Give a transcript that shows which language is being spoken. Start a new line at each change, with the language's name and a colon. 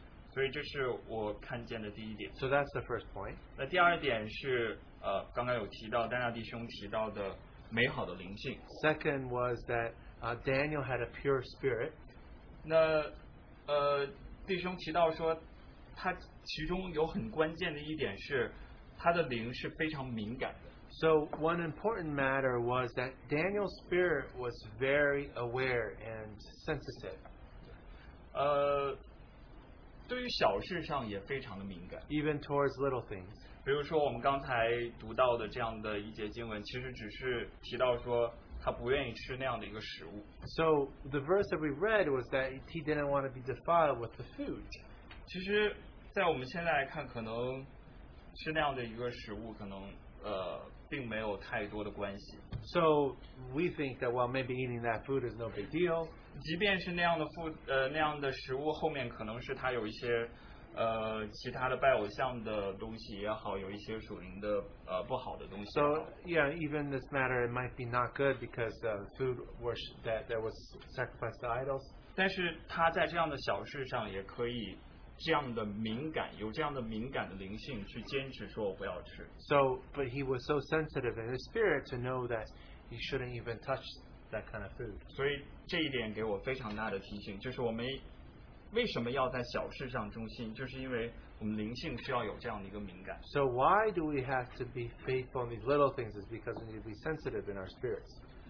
Chinese: 所以这是我看见的第一点。
English: So that's the first point.
Chinese: 那第二点是。刚刚有提到丹纳弟兄提到的美好的灵性。
English: Second was that Daniel had a pure spirit.
Chinese: 那弟兄提到说，他其中有很关键的一点是，他的灵是非常敏感的。
English: So one important matter was that Daniel's spirit was very aware and sensitive.
Chinese: 对于小事上也非常的敏感。
English: Even towards little things.
Chinese: 比如说我们刚才读到的这样的一节经文，其实只是提到说他不愿意吃那样的一个食物。
English: So the verse that we read was that he didn't want to be defiled with the food.
Chinese: 其实在我们现在来看，可能吃那样的一个食物可能并没有太多的关系。
English: So we think that well, maybe eating that food is no big deal.
Chinese: 即便是那样的食物后面可能是他有一些其他的拜偶像的东西也好，有一些属灵的不好的东西。
English: So yeah, even this matter it might be not good because the food worship that there was sacrificed to idols.
Chinese: 但是他在这样的小事上也可以这样的敏感，有这样的敏感的灵性去坚持说我不要吃。
English: So, but he was so sensitive in his spirit to know that he shouldn't even touch that kind of food.
Chinese: 所以这一点给我非常大的提醒，就是我们为什么要在小事上忠心，就是因为我们灵性需要有这样的一个敏感。
English: So why do we have to be faithful in these little things? It's because we need to be sensitive in our spirits.